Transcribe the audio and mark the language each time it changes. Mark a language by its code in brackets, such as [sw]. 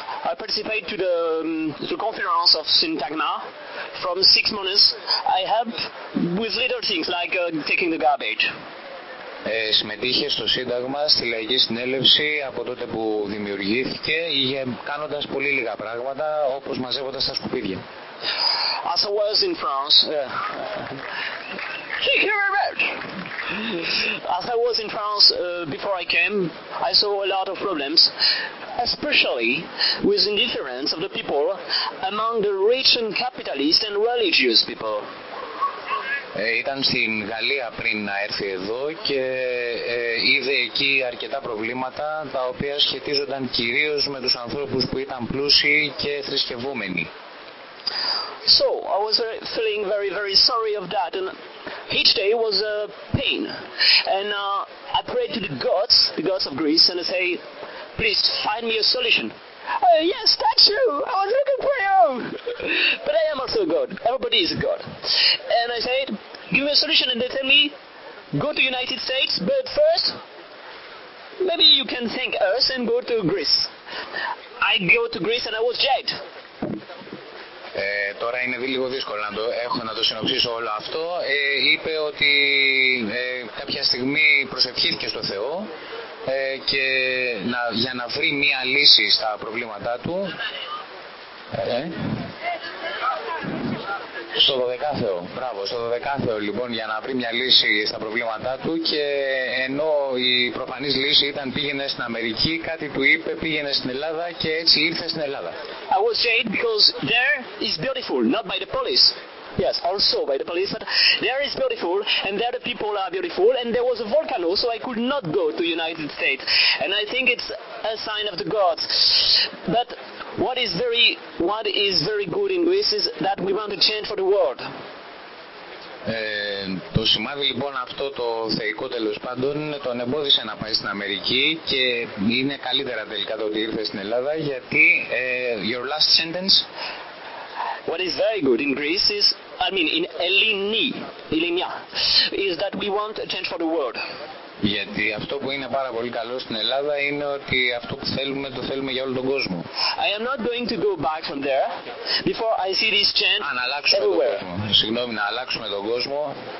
[en] I participate to the conference of Syntagma from 6 months. I help with little things like taking the garbage. [el] Συμμετείχε στο Σύνταγμα, στη Λαϊκή Συνέλευση από τότε που δημιουργήθηκε, κάνοντας πολύ λίγα πράγματα, όπως μαζεύοντας τα σκουπίδια. [en] As I was in France. Thank you very much. As I was in France before I came, I saw a lot of problems, especially with indifference of the people among the rich and capitalist and religious people. [el] Ήταν στην Γαλλία πριν να έρθει εδώ και είδε εκεί αρκετά προβλήματα τα οποία σχετίζονταν κυρίως με τους ανθρώπους που ήταν πλούσιοι και θρησκευόμενοι. [en] So I was feeling very, very sorry of that, and each day was a pain. And I prayed to the gods of Greece, and I say, please find me a solution. Yes, that's you. I was looking for you. But I am also a god. Everybody is a god. And I said, give me a solution, and they tell me, go to United States, but first, maybe you can thank us and go to Greece. I go to Greece, and I was jailed. [el] Τώρα είναι λίγο δύσκολο να το συνοψίσω όλο αυτό. Είπε ότι κάποια στιγμή προσευχήθηκε στο Θεό και να, για να βρει μία λύση στα προβλήματά του. Στο 12ο. Μπράβο, στο 12ο λοιπόν, για να βρει μια λύση στα προβλήματά του, και ενώ η προφανής λύση ήταν πήγαινε στην Αμερική, κάτι του είπε πήγαινε στην Ελλάδα και έτσι ήρθε στην Ελλάδα. [en] I was jailed because there is beautiful, not by the police. Yes, also by the police, but there is beautiful and there the people are beautiful and there was a volcano, so I could not go to United States. And I think it's a sign of the gods. But what is very good in Greece is that we want to change for the world. [el] Το σημάδι λοιπόν αυτό το θεϊκό τέλος πάντων τον εμπόδισε να πάει στην Αμερική και είναι καλύτερα τελικά το ότι ήρθε στην Ελλάδα γιατί [en] your last sentence. What is very good in Greece is, I mean, in Ελληνία, is that we want a change for the world. [el] Γιατί αυτό που είναι πάρα πολύ καλό στην Ελλάδα είναι ότι αυτό που θέλουμε το θέλουμε για όλο τον κόσμο. [en] I am not going to go back from there before I see this change everywhere. [el] Συγγνώμη, να αλλάξουμε τον κόσμο.